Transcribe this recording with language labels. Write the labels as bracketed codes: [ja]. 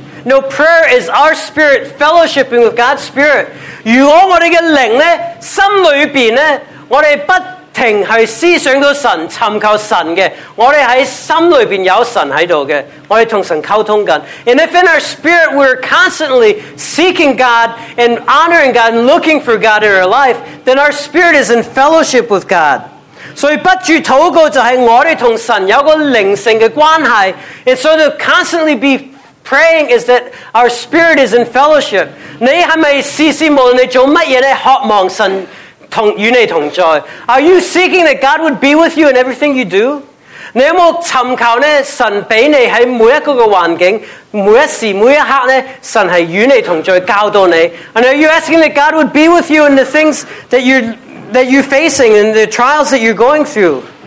[en] No, prayer is our spirit fellowshipping with God's spirit. [zh] 如果我们的灵呢，心里边呢，我们不停是思想到神，寻求神的，我们在心里边有神在这里的，我们跟神沟通着。 [en] And if in our spirit we're constantly seeking God and honoring God and looking for God in our life, then our spirit is in fellowship with God. [zh] 所以不住祷告就是我们跟神有个灵性的关系。 [en] And so to constantly be praying is that our spirit is in fellowship. [zh] 你是不是事事无论你做什么呢，渴望神与你同在。 [en] Are you seeking that God would be with you in everything you do? [zh] 你有没有寻求呢神给你在每一个的环境每一时每一刻呢神是与你同在教导你。 [en] And are you asking that God would be with you in the things that you're facing and the trials that you're going through?